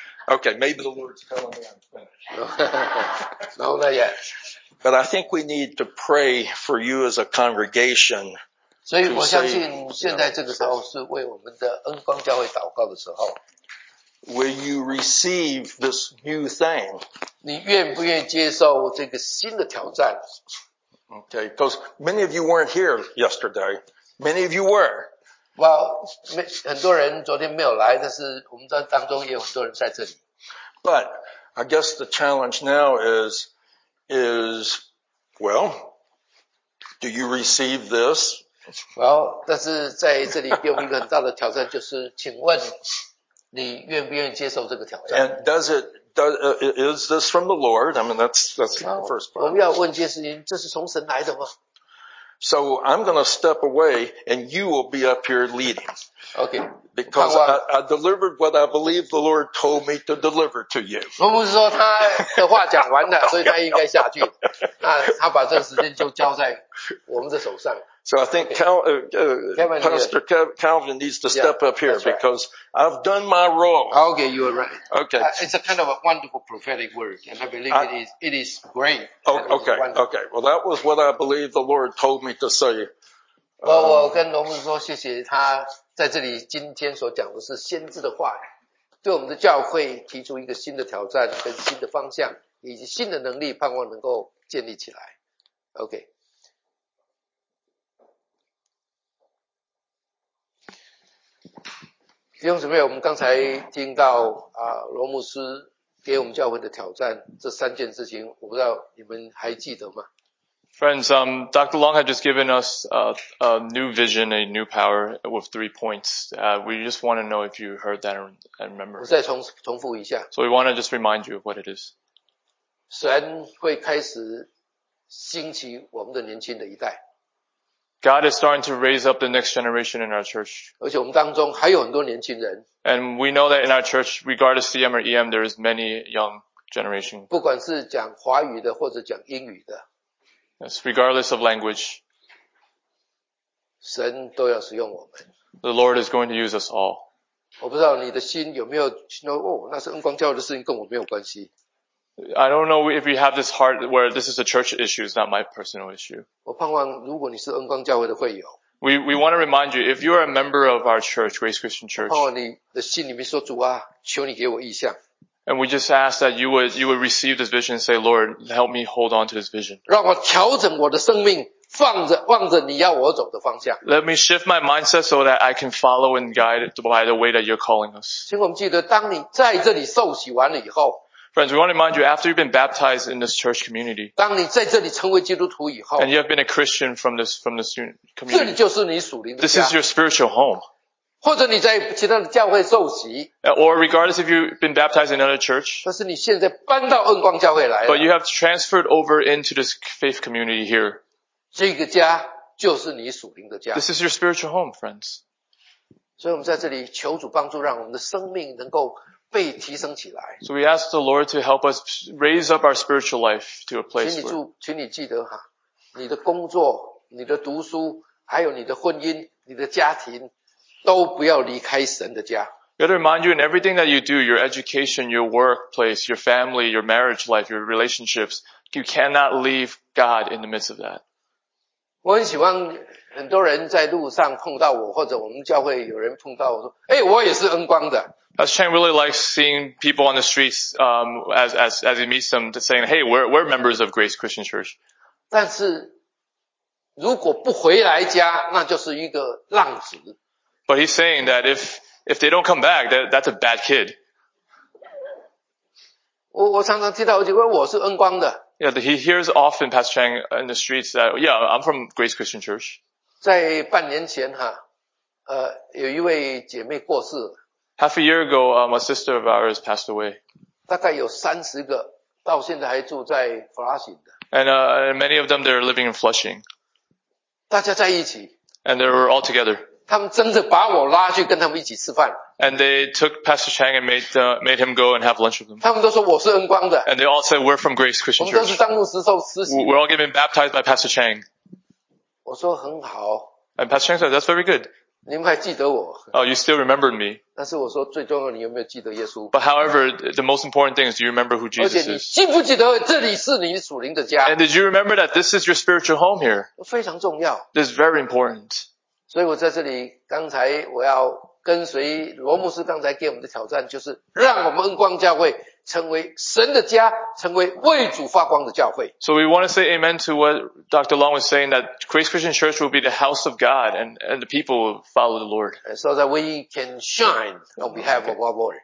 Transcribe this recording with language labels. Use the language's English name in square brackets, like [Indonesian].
[English] Okay, maybe the Lord's telling me I'm finished. No, not yet. But I think we need to pray for you as a congregation. [Chinese] 所以我相信现在这个时候是为我们的恩光教会祷告的时候。 [English] Will you receive this new thing? [Chinese] 你愿不愿意接受这个新的挑战？ [English] Okay, because many of you weren't here yesterday. Many of you were. Well, [Chinese] 很多人昨天没有来，但是我们在当中也有很多人在这里。 [English] But I guess the challenge now is, well, do you receive this? Well, [Chinese] 但是在这里给我们一个很大的挑战，就是请问你愿不愿意接受这个挑战？ [English] And is this from the Lord? I mean, that's the first part. [Chinese] 我们要问一件事情，这是从神来的吗？ [English] So I'm going to step away, and you will be up here leading. Okay. Because I delivered what I believe the Lord told me to deliver to you. [Chinese] 我不是说他的话讲完了，所以他应该下去。那他把这个时间就交在我们的手上。 [English] So I think Pastor Calvin needs to step up here, right? Because I've done my role. Okay, you are right. Okay. It's a kind of a wonderful prophetic word, and I believe it is great. Okay. Well, that was what I believe the Lord told me to say. [Chinese] 我跟龙牧师说谢谢他在这里今天所讲的是先知的话，对我们的教会提出一个新的挑战跟新的方向以及新的能力，盼望能够建立起来。 [English] Okay. [Chinese] 弟兄姊妹，我们刚才听到罗牧师给我们教会的挑战，这三件事情，我不知道你们还记得吗 [English] ？Friends, Dr. Long had just given us a new vision, a new power with three points. We just want to know if you heard that and remember. [Chinese] 我再重复一下。 [English] So we want to just remind you of what it is. [Chinese] 神会开始兴起我们的年轻的一代。 [English] God is starting to raise up the next generation in our church. [Chinese] 而且我们当中还有很多年轻人。 [English] And we know that in our church, regardless CM or EM, there is many young generation. [Chinese] 不管是讲华语的或者讲英语的。 [English] Yes, regardless of language. [Chinese] 神都要使用我们。 [English] The Lord is going to use us all. [Chinese] 我不知道你的心有没有说，哦，那是恩光教会的事情，跟我没有关系。 [English] I don't know if you have this heart where this is a church issue, it's not my personal issue. [Chinese] 我盼望如果你是恩光教会的会友。 [English] We want to remind you, if you are a member of our church, Grace Christian Church. [Chinese] 盼望你的心里面说主啊，求你给我意象。 [English] And we just ask that you would receive this vision and say, Lord, help me hold on to this vision. [Chinese] 让我调整我的生命，望着你要我走的方向。 [English] Let me shift my mindset so that I can follow and guide by the way that you're calling us. [Chinese] 请我们记得当你在这里受洗完了以后， [English] Friends, we want to remind you, after you've been baptized in this church community, [Chinese] 当你在这里成为基督徒以后， [English] and you have been a Christian from this community, [Chinese] 这里就是你属灵的家。 [English] This is your spiritual home. [Chinese] 或者你在其他的教会受洗。 [English] Or regardless if you've been baptized in another church. [Chinese] 但是你现在搬到恩光教会来了。 [English] But you have transferred over into this faith community here. [Chinese] 这个家就是你属灵的家。 [English] This is your spiritual home, friends. [Chinese] 所以我们在这里求主帮助让我们的生命能够被提升起来。 [English] So we ask the Lord to help us raise up our spiritual life to a place where... [Chinese] 请你记得哈，你的工作、你的读书、还有你的婚姻、你的家庭都不要离开神的家。 [English] You have to remind you in everything that you do, your education, your workplace, your family, your marriage life, your relationships, you cannot leave God in the midst of that. [Chinese] 我很喜欢很多人在路上碰到我，或者我们教会有人碰到我说，哎，我也是恩光的。 [English] Pastor Chang really likes seeing people on the streets, as he meets them, to saying, hey, we're members of Grace Christian Church. [Chinese] 但是如果不回来家，那就是一个浪子。 [English] But he's saying that if they don't come back, that's a bad kid. [Chinese] 我常常听到，因为我是恩光的。 [English] Yeah, he hears often Pastor Chang in the streets that, yeah, I'm from Grace Christian Church. [Chinese] 在半年前哈，有一位姐妹过世。 [English] Half a year ago, a sister of ours passed away. [Chinese] 大概有三十个，到现在还住在 Flushing 的。 [English] And many of them, they're living in Flushing. [Chinese] 大家在一起。 [English] And they were all together. [Chinese] 他们真的把我拉去跟他们一起吃饭。 [English] And they took Pastor Chang and made him go and have lunch with them. [Chinese] 他们都说我是恩光的。 [English] And they all said we're from Grace Christian Church. [Chinese] 我们都是当牧师受施洗。 [English] We're all getting baptized by Pastor Chang. [Chinese] 我说很好。 [English] And Pastor Chang said that's very good. [Chinese] 你们还记得我。 [English] Oh, you still remembered me. [Chinese] 但是我说最重要你有没有记得耶稣。 [English] But however, the most important thing is do you remember who Jesus is? [Chinese] 而且你记不记得这里是你属灵的家。 [English] And did you remember that this is your spiritual home here? [Chinese] 非常重要。 [English] This is very important. [Chinese] 所以我在这里刚才我要跟随罗牧师刚才给我们的挑战就是让我们恩光教会成为神的家成为为主发光的教会。 [English] So we want to say amen to what Dr. Long was saying that Grace Christian Church will be the house of God and the people will follow the Lord. So that we can shine on behalf of our Lord.